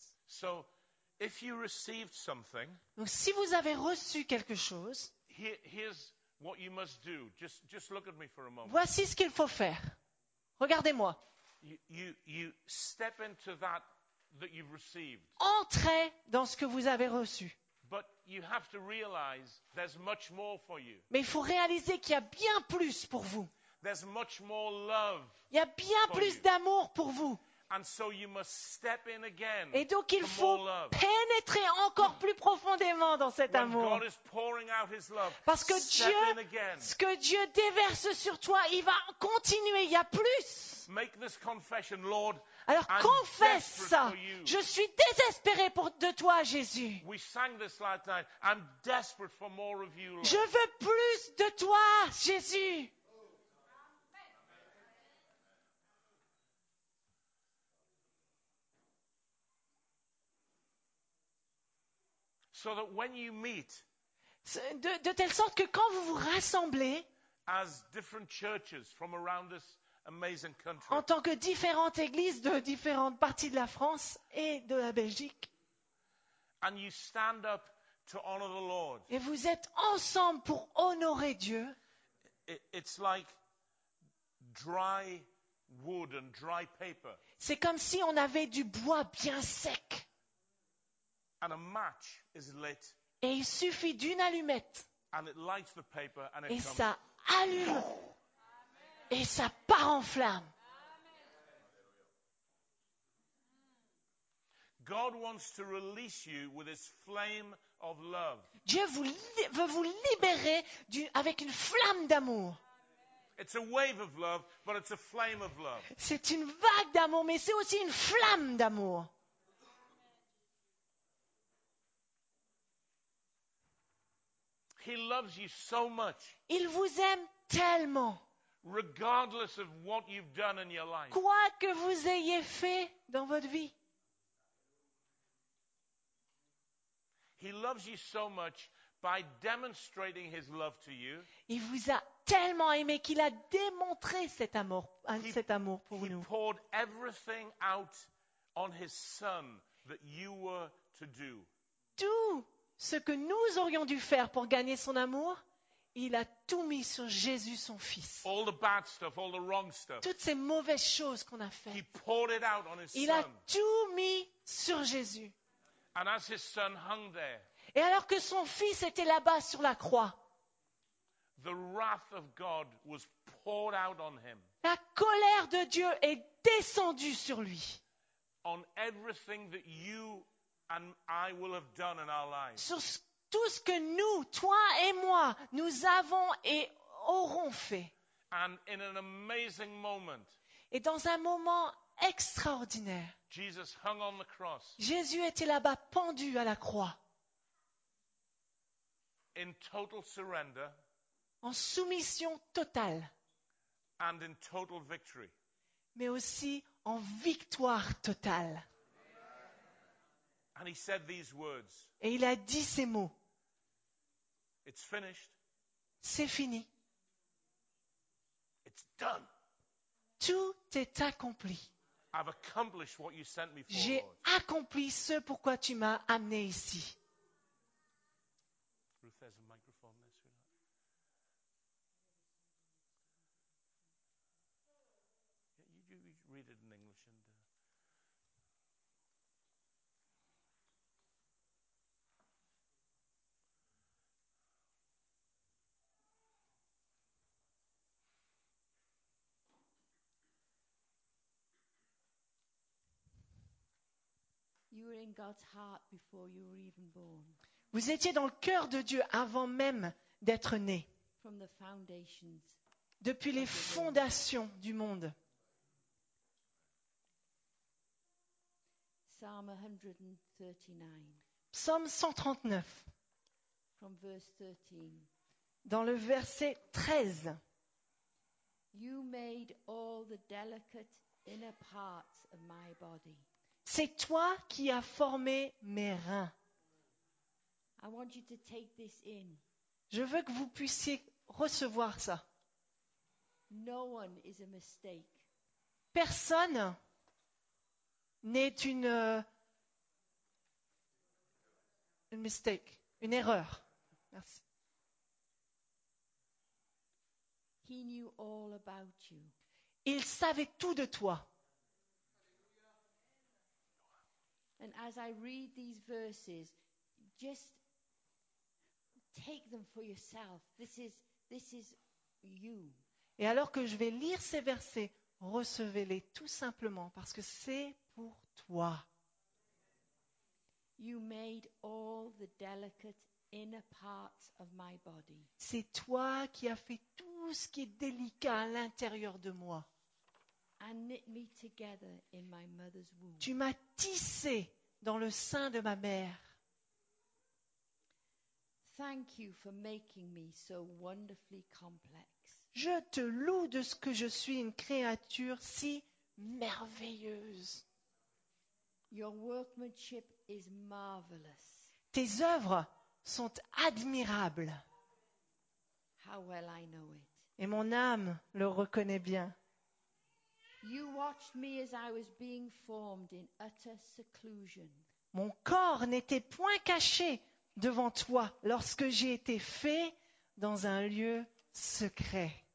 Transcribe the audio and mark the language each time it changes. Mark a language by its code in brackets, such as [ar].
[en] So, if you received something, [fr] donc si vous avez reçu quelque chose, [en] here's what you must do. Just look at me for a moment. [fr] Voici ce qu'il faut faire. Regardez-moi. [en] You step into that you've received. [fr] Entrez dans ce que vous avez reçu. [en] But you have to realize there's much more for you. [fr] Mais il faut réaliser qu'il y a bien plus pour vous. [en] There's much more love. [fr] Il y a bien plus [en] you. [fr] D'amour pour vous. [en] And so you must step in again. [fr] Et donc il faut pénétrer encore plus profondément dans cet [en] when [fr] amour. [en] God is pouring out his love, [fr] parce que [en] step [fr] Dieu, [en] in again. [fr] Ce que Dieu déverse sur toi, il va continuer, il y a plus. [en] Make this confession, Lord. [fr] Alors [en] I'm [fr] confesse ça. [en] For you. [fr] Je suis désespéré pour de toi, Jésus. [en] We sang this last night. I'm desperate for more of you, Lord. [fr] Je veux plus de toi, Jésus. [en] So that when you meet, [fr] de telle sorte que quand vous vous rassemblez, [en] as different churches from around this amazing country. [fr] En tant que différentes églises de différentes parties de la France et de la Belgique. [en] And you stand up to honor the Lord. [fr] Et vous êtes ensemble pour honorer Dieu. [en] It's like dry wood and dry paper. [fr] C'est comme si on avait du bois bien sec. [en] And a match is lit. [fr] Et il suffit d'une allumette. [en] And it lights the paper and it [fr] et [en] comes. [fr] Ça allume. Amen. Et ça part en flamme. [en] God wants to release you with his flame of love. [fr] Dieu veut vous libérer avec une flamme d'amour. [en] It's a wave of love, but it's a flame of love. [fr] C'est une vague d'amour, mais c'est aussi une flamme d'amour. [en] He loves you so much. [fr] Il vous aime tellement. [en] Regardless of what you've done in your life. [fr] Quoi que vous ayez fait dans votre vie. [en] He loves you so much by demonstrating his love to you. [fr] Il vous a tellement aimé qu'il a démontré cet amour pour [en] he [fr] nous. [en] He poured everything out on his son that you were to do. [fr] Tout ce que nous aurions dû faire pour gagner son amour, il a tout mis sur Jésus son fils. [en] All the bad stuff, all the wrong stuff. [fr] Toutes ces mauvaises choses qu'on a faites. [en] He poured it out on his [fr] il [en] son. [fr] A tout mis sur Jésus. [en] And as his son hung there, [fr] et alors que son fils était là-bas sur la croix, [en] the wrath of God was poured out on him. [fr] La colère de Dieu est descendue sur lui. [en] On everything that you and I will have done in our lives. [fr] Sur tout ce que nous, toi et moi, nous avons et aurons fait. [en] And in an amazing moment, [fr] et dans un moment extraordinaire, [en] Jesus hung on the cross. [fr] Jésus était là-bas pendu à la croix. [en] In total surrender, [fr] en soumission totale. [en] And in total victory. [fr] Mais aussi en victoire totale. [en] And he said these words. [fr] Et il a dit ces mots. [en] It's finished. [fr] C'est fini. [en] It's done. [fr] Tout est accompli. [en] I've accomplished what you sent me for, [fr] j'ai [en] Lord. [fr] Accompli ce pourquoi tu m'as amené ici. [en] Ruth, there's a microphone there, sweetheart. Yeah, you read it in English. And, you were in God's heart before you were even born. [fr] Vous étiez dans le cœur de Dieu avant même d'être né. [en] From the foundations. [fr] Depuis les fondations du monde. [en] Psalm 139. [fr] Psaume 139. [en] From verse 13. [fr] Dans le verset 13. [en] You made all the delicate inner parts of my body. [fr] C'est toi qui as formé mes reins. [en] I want you to take this in. [fr] Je veux que vous puissiez recevoir ça. [en] No one is a mistake. [fr] Personne n'est une mistake, une erreur. Merci. [en] He knew all about you. [fr] Il savait tout de toi. [en] And as I read these verses, just take them for yourself. This is you. [fr] Et alors que je vais lire ces versets, recevez-les tout simplement parce que c'est pour toi. [en] You made all the delicate inner parts of my body. [fr] C'est toi qui as fait tout ce qui est délicat à l'intérieur de moi. [en] And knit me together in my mother's womb. [fr] Tu m'as tissé dans le sein de ma mère. [en] Thank you for making me so wonderfully complex. [fr] Je te loue de ce que je suis une créature si merveilleuse. [en] Your workmanship is marvelous. [fr] Tes œuvres sont admirables. [en] How well I know it. [fr] Et mon âme le reconnaît bien. [en] You watched me as I was being formed in utter seclusion. [fr] Mon corps n'était point caché devant toi lorsque j'ai été fait dans un lieu secret.